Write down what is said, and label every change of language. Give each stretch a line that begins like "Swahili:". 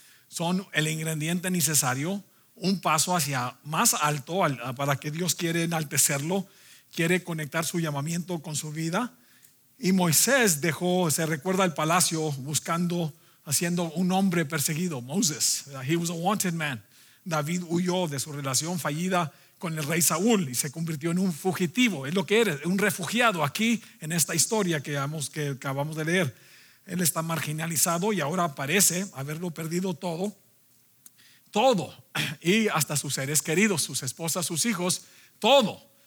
Spanish: Son el ingrediente necesario, un paso hacia más alto, para que Dios quiere enaltecerlo, quiere conectar su llamamiento con su vida. Y Moisés dejó, se recuerda, el palacio buscando, haciendo un hombre perseguido.
English: Moses, he was a wanted man.
Spanish: David huyó de su relación fallida con el rey Saúl y se convirtió en un fugitivo. Es lo que eres, un refugiado aquí en esta historia que acabamos de leer. Él está marginalizado y ahora parece haberlo perdido todo, todo, y hasta sus seres queridos, sus esposas, sus hijos, todo.